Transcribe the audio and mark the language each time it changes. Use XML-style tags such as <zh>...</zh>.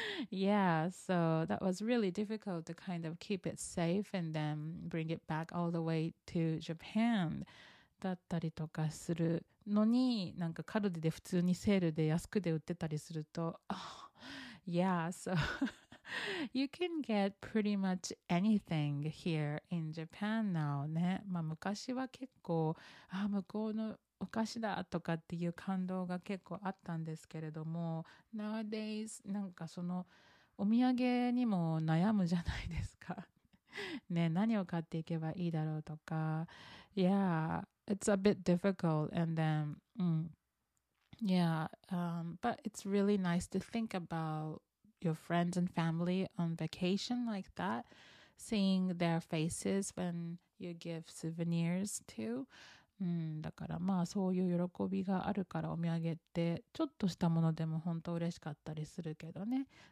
<en>Yeah, so that was really difficult to kind of keep it safe and then bring it back all the way to Japan</en> <ja>だったりとかするのになんかカルディで普通にセールで安くで売ってたりすると、oh,</ja> <en>Yeah, soYou can get pretty much anything here in Japan now, ね。</en> <ja>まあ昔は結構、ああ、向こうのお菓子だとかっていう感動が結構あったんですけれども、Nowadays, なんかそのお土産にも悩むじゃないですか。ね、何を買っていけばいいだろうとか。</ja> <en>Yeah, it's a bit difficult and then, but it's really nice to think aboutyour friends and family on vacation like that, seeing their faces when you give souvenirs to.</en> <ja>だからまあそういう喜びがあるからお土産ってちょっとしたものでも本当嬉しかったりするけどね。</ja>